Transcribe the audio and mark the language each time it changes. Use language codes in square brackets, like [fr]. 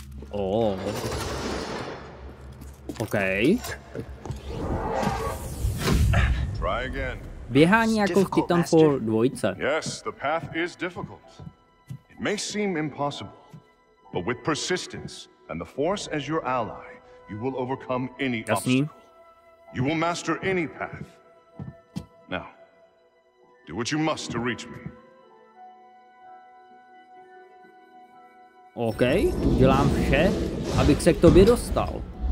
[en] Oh. OK. Try again. [cs] Běhání jako v Titanfall 2. [en] Yes, the path is difficult. It may seem impossible, but with persistence and the force as your ally, you will overcome any obstacle. You will master any path. Now, do what you must to reach me. [cs] OK, udělám vše, abych se k tobě dostal.